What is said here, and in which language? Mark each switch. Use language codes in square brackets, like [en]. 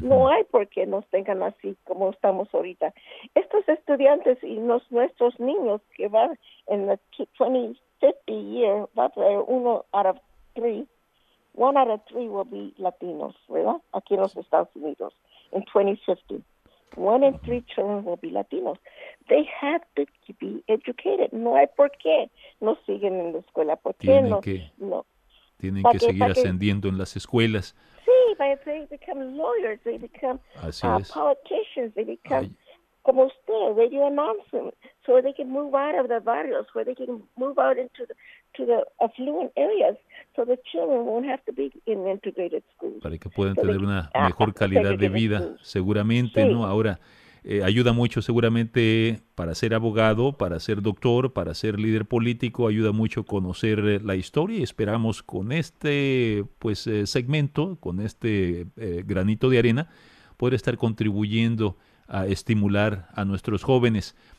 [es] No hay por qué nos tengan así como estamos ahorita. Estos estudiantes y nuestros niños que van en el 2050 year, va a traer uno [en] out of three, one out of three will be Latinos, [es] ¿verdad? Aquí en los Estados Unidos, [en] in 2050. One in three children will be Latinos. They have to be educated. [es] No hay por qué no siguen en la escuela. ¿Por qué tienen no? Que, no. Tienen que seguir ascendiendo en las escuelas. [en] Sí, but they become lawyers, they become politicians, they become, [es] como usted, [en] radio announcer, so they can move out of the barrios, where they can move out into the affluent areas, so the children won't have to be in integrated schools. [es] Para que puedan tener una mejor calidad de vida, seguramente, sí. ¿No? Ahora, ayuda mucho seguramente para ser abogado, para ser doctor, para ser líder político, ayuda mucho conocer la historia y esperamos con este segmento, con este granito de arena, poder estar contribuyendo a estimular a nuestros jóvenes.